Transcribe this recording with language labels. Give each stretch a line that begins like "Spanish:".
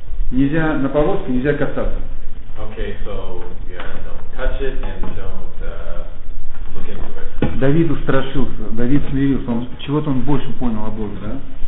Russian: Нельзя на повозке, нельзя касаться.
English: Okay, so, yeah, don't touch it and don't look into it.
Russian: Давид устрашился, Давид смирился, он чего-то он больше понял о Боге, да?